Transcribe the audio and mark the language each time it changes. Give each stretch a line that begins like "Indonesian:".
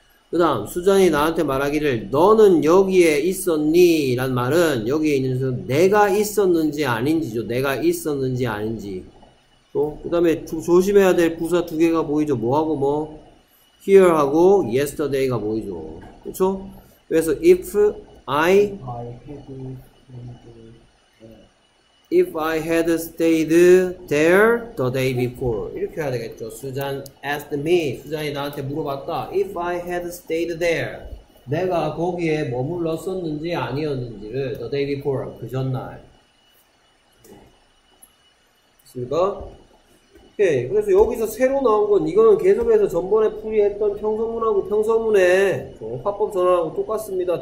Korean: 그다음 수잔이 나한테 말하기를 너는 여기에 있었니? 라는 말은 여기에 있는 내가 있었는지 아닌지죠. 내가 있었는지 아닌지. 그 다음에 조심해야 될 부사 두 개가 보이죠? 뭐하고 뭐? Here 하고 yesterday가 보이죠. 그쵸?
English: 그래서 if I had stayed there the day before.
Korean: 이렇게 해야 되겠죠.
English: Susan asked me.
Korean: 수잔이 나한테 물어봤다.
English: If I had stayed there.
Korean: 내가 거기에 머물렀었는지 아니었는지를
English: the day before.
Korean: 그 전날. 그니까 오케이. 그래서 여기서 새로 나온 건 이거는 계속해서 전번에 풀이했던 평서문하고 평서문의 화법 전환하고 똑같습니다.